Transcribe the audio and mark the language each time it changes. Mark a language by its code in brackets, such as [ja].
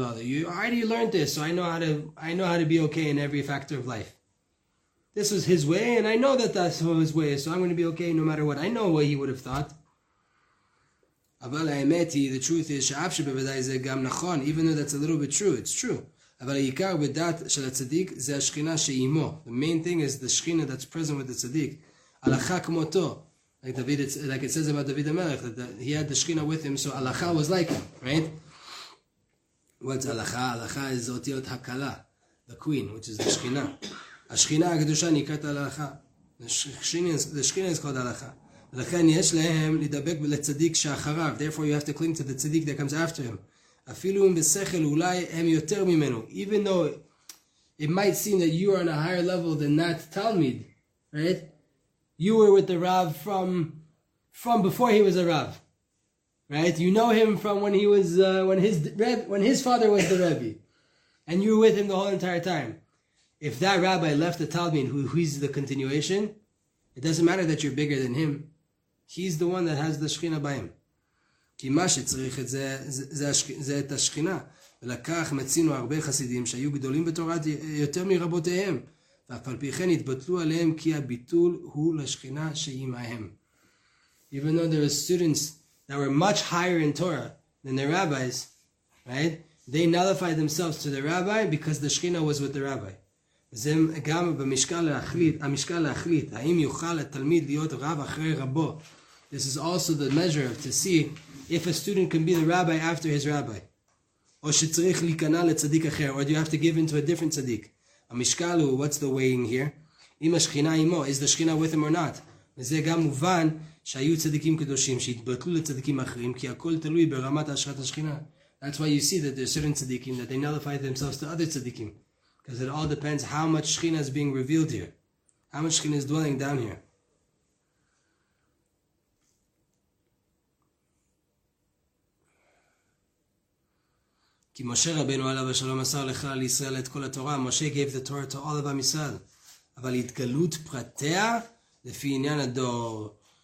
[en] You already learned this, so I know how to be okay in every factor of life. This was his way, and I know that that's his way, so I'm going to be okay no matter what. I know what he would have thought. [he] אבל האמת היא, [en] the truth is, [he] שאף שבוודאי זה גם נכון, [en] even though that's a little bit true, it's true. [he] אבל העיקר בדעת של הצדיק, זה השכינה שאימו. [en] The main thing is the שכינה that's present with the צדיק. [he] הלכה כמותו. [en] Like it says about David המלך, that he had the שכינה with him, so הלכה was like him, right? What's הלכה? [he] הלכה is אותיות הקלה. [en] The queen, which is the שכינה. [he] השכינה הקדושה נקראת הלכה. השכינה is called הלכה. ולכן יש להם לדבק לצדיק שאחריו. [en] Therefore you have to cling to the צדיק that comes after him. [he] אפילו אם בשכל אולי הם יותר ממנו. [en] Even though it might seem that you are on a higher level than that Talmid, right? You were with the Rav from before he was a Rav. Right? You know him from when he was, when his father was the Rebbe. And you were with him the whole entire time. If that rabbi left the Talmid, who's the continuation, it doesn't matter that you're bigger than him. He's the one that has the Shekhinah by him. [he] כי מה שצריך את זה, זה את השכינה. ולכך מצינו הרבה חסידים שהיו גדולים בתורת יותר מרבותיהם. ואף על פי כן התבטלו עליהם כי הביטול הוא לשכינה שהיא מהם. [en] Even though there were students that were much higher in Torah than the rabbis, right? They nullified themselves to the rabbi because the Shekhinah was with the rabbi. [he] וזה גם במשקל להחליט, המשקל להחליט, האם יוכל התלמיד להיות רב אחרי רבו. [en] This is also the measure of to see if a student can be the rabbi after his rabbi. [he] או שצריך להיכנע לצדיק אחר, [en] or do you have to give in to a different צדיק. [he] המשקל הוא, [en] what's the weighing here? [he] אם השכינה עמו, [en] is the Shekhinah with him or not? [he] וזה גם מובן שהיו צדיקים קדושים, שהתבטלו לצדיקים אחרים, כי הכל תלוי ברמת השרת השכינה. [en] That's why you see that there are certain tzaddikim that they nullify themselves to other tzaddikim. Because it all depends how much Shekhinah is being revealed here. How much Shekhinah is dwelling down here. [he] כי משה רבנו עליו השלום מסר לכלל ישראל את כל התורה. [en] משה gave the Torah to all of Am Yisrael. [he] אבל התגלות פרטיה לפי עניין הדור.